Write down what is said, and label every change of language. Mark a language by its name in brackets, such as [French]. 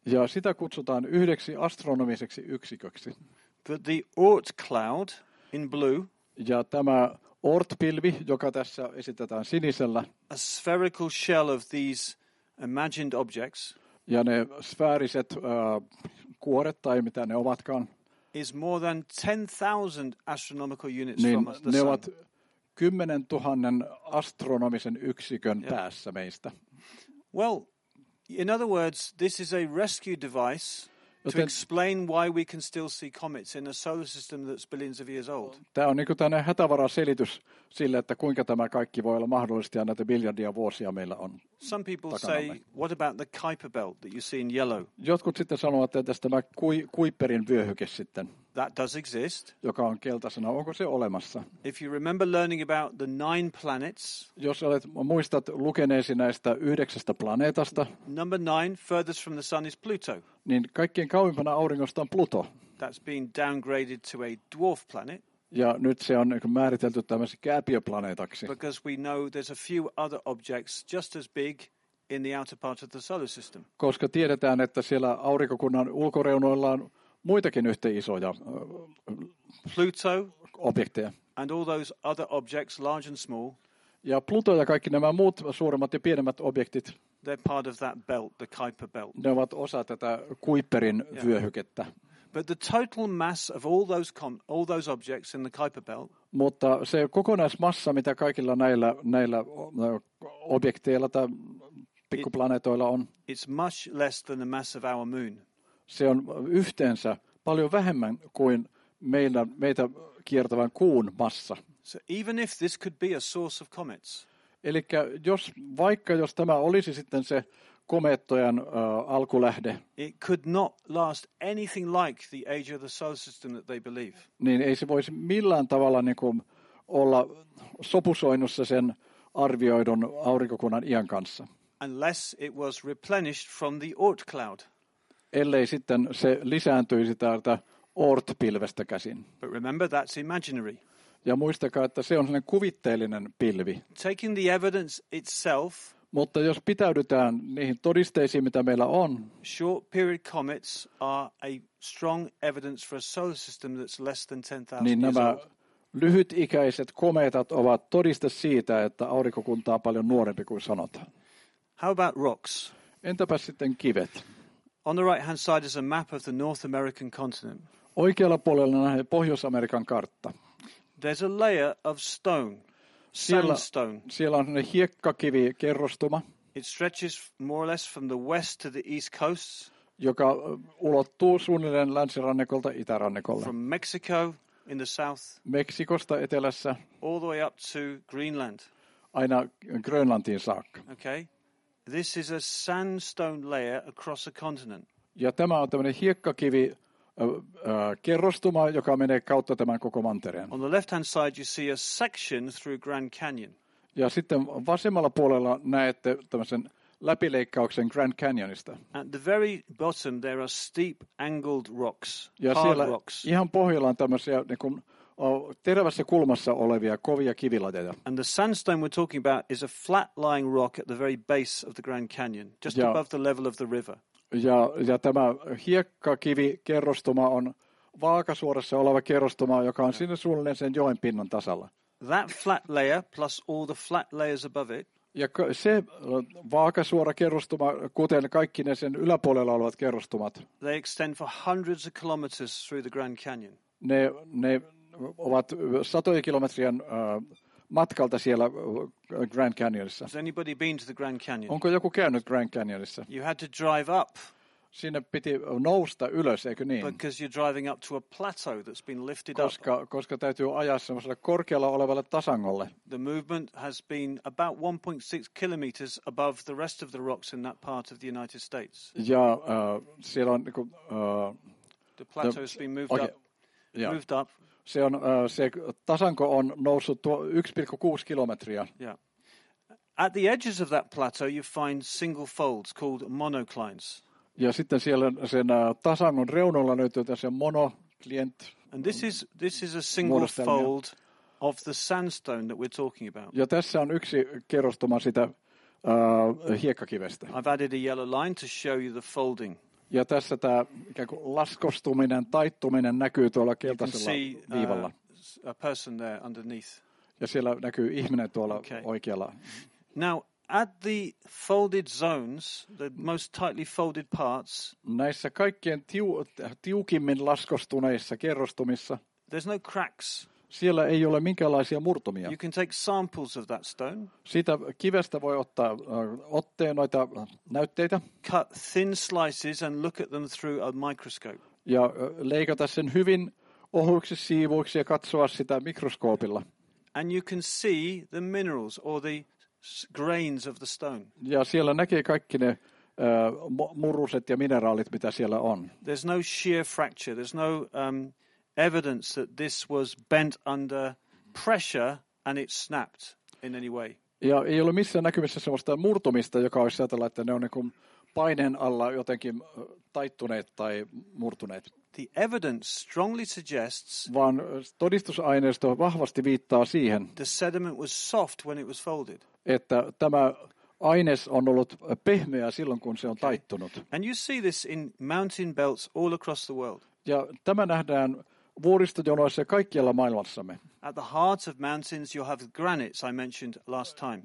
[Finnish] Ja sitä kutsutaan yhdeksi astronomiseksi yksiköksi. [English] But the Oort cloud in blue. [Finnish] Ja tämä Oort-pilvi, joka tässä esitetään sinisellä. [English] A spherical shell of these imagined objects. [Finnish] Ja ne sfääriset kuoret tai mitä ne ovatkaan. [English] Is more than 10,000 astronomical units from us, the Sun. [Finnish] Ne ovat 10,000 astronomisen yksikön päässä meistä. [English] Well, in other words, this is a rescue device. To explain why we can still see comets in a solar system that's billions of years old. [Finnish] Tämä on niinku tämmöinen hätävaraselitys sille, että kuinka tämä kaikki voi olla mahdollista ja näitä miljardia vuosia meillä on. [English] Some people say, what about the Kuiper belt that you see in yellow? [Finnish] Jotkut sitten sanovat, että tästä tämä Kuiperin vyöhyke sitten. [English] That does exist. [Finnish] Joka on keltaisena, onko se olemassa? [English] If you remember learning about the nine planets. [Finnish] Jos olet muistat lukeneesi näistä yhdeksästä planeetasta. [English] Number nine, furthest from the Sun is Pluto. [Finnish] Niin kaikkein kauimpana auringosta on Pluto. [English] That's been downgraded to a dwarf planet. [Finnish] Ja nyt se on määritelty tämmöiseksi kääpiöplaneetaksi. [English] Because we know there's a few other objects just as big in the outer part of the solar system. [Finnish] Koska tiedetään, että siellä aurinkokunnan ulkoreunoilla on muitakin yhtä isoja [English] Pluto [Finnish] objekteja. [English] And all those other objects, large and small. [Finnish] Ja Pluto ja kaikki nämä muut suuremmat ja pienemmät objektit. [English] They're part of that belt, the Kuiper belt. [Finnish] Ne ovat osa tätä Kuiperin vyöhykettä. [English] But the total mass of all those objects in the Kuiper belt. [Finnish] Mutta se kokonaismassa, mitä kaikilla näillä objekteilla tai pikkuplaneetoilla on. [English] It's much less than the mass of our moon. [Finnish] Se on yhteensä paljon vähemmän kuin meitä kiertävän kuun massa. [English] So even if this could be a source of comets. [Finnish] Elikkä jos tämä olisi sitten se komeettojen alkulähde. [English] It could not last anything like the age of the solar system that they believe. [Finnish] Niin ei se voisi millään tavalla niinku olla sopusoinnussa sen arvioidun aurinkokunnan iän kanssa. [English] Unless it was replenished from the Oort cloud. [Finnish] Ellei sitten se lisääntyisi täältä Oort-pilvestä käsin. [English] But remember, that's imaginary. [Finnish] Ja muistakaa, että se on sellainen kuvitteellinen pilvi. [English] Taking the evidence itself, [Finnish] mutta jos pitäydytään niihin todisteisiin, mitä meillä on, [English] short period comets are a strong evidence for a solar system that's less than 10,000 [Finnish] niin nämä lyhytikäiset kometat ovat todiste siitä, että aurinkokunta on paljon nuorempi kuin sanotaan. [English] How about rocks? [Finnish] Entäpä sitten kivet? [English] On the right hand side is a map of the North American continent. [Finnish] Oikealla puolella nähdään Pohjois-Amerikan kartta. [English] There's a layer of stone. Sandstone. [Finnish] Siellä on sellainen hiekkakivi kerrostuma. [English] It stretches more or less from the west to the east coast. [Finnish] Joka ulottuu suunnilleen länsirannikolta itärannikolle. [English] From Mexico in the south. [Finnish] Meksikosta etelässä. [English] All the way up to Greenland. [Finnish] Aina Grönlantiin saakka. [English] Okay. This is a sandstone layer across a continent. [Finnish] Ja tämä on tämmöinen hiekkakivi kerrostuma, joka menee kautta tämän koko mantereen. [English] On the left-hand side you see a section through Grand Canyon. [Finnish] Ja sitten vasemmalla puolella näette tämmöisen läpileikkauksen Grand Canyonista. [English] At the very bottom there are steep angled rocks, hard rocks. [Finnish] Ja siellä ihan pohjalla on tämmöisiä niin kuin terävässä kulmassa olevia kovia kivilajeja. [English] And the sandstone we're talking about is a flat-lying rock at the very base of the Grand Canyon, just above the level of the river. [Finnish] Ja tämä hiekkakivi kerrostuma on vaakasuorassa oleva kerrostuma, joka on sinne suunnilleen sen joen pinnan tasalla. [English] That flat layer plus all the flat layers above it. [Finnish] Ja se vaakasuora kerrostuma, kuten kaikki ne sen yläpuolella olevat kerrostumat. [English] They extend for hundreds of kilometers through the Grand Canyon. [Finnish] Ne ovat satoja kilometrien matkalta siellä Grand Canyonissa. [English] Has anybody been to the Grand Canyon? [Finnish] Onko joku käynyt Grand Canyonissa? [English] You had to drive up. [Finnish] Sinne piti nousta ylös, eikö niin? [English] Because you're driving up to a plateau that's been lifted up. [Finnish] Koska täytyy ajaa semmoiselle korkealla olevalle tasangolle. [English] The movement has been about 1.6 kilometers above the rest of the rocks in that part of the United States. [Finnish] Ja siellä on niinku [English] the plateau's been moved okay. up. [Finnish] Se on se tasanko on noussut 1,6 kilometriä. [English] Yeah. At the edges of that plateau you find single folds called monoclines. [Finnish] Ja sitten siellä sen tasangon reunalla löytyy tässä monoclient. [English] And this is a single fold of the sandstone that we're talking about. [Finnish] Ja tässä on yksi kerrostuma sitä hiekkakivestä. [English] I've added a yellow line to show you the folding. [Finnish] Ja tässä tämä ikään kuin laskostuminen, taittuminen näkyy tuolla keltaisella viivalla. [English] A person there underneath. [Finnish] Ja siellä näkyy ihminen tuolla okay. oikealla. [English] Now, at the folded zones, the most tightly folded parts. [Finnish] Näissä kaikkein tiukimmin laskostuneissa kerrostumissa. [English] There's no cracks. [Finnish] Siellä ei ole minkäänlaisia murtumia. [English] You can take samples of that stone. [Finnish] Siitä kivestä voi ottaa otteen noita näytteitä. [English] Cut thin slices and look at them through a microscope. [Finnish] Ja leikata sen hyvin ohuiksi siivuiksi ja katsoa sitä mikroskoopilla. [English] And you can see the minerals or the grains of the stone. [Finnish] Ja siellä näkee kaikki ne muruset ja mineraalit mitä siellä on. [English] There's no shear fracture. There's no evidence that this was bent under pressure and it snapped in any way. [Finnish] Ja ei ole missään näkymissä sellaista murtumista, joka olisi ajatella, että ne on niin kuin paineen alla jotenkin taittuneet tai murtuneet. [English] The evidence strongly suggests. [Finnish] Vaan todistusaineisto vahvasti viittaa siihen. [English] The sediment was soft when it was folded. [Finnish] Että tämä aines on ollut pehmeä silloin kun se on taittunut. [English] Okay. And you see this in mountain belts all across the world. [Finnish] Ja tämä nähdään vuoristojonoissa kaikkialla maailmassamme. [English] At the heart of mountains you have granites I mentioned last time.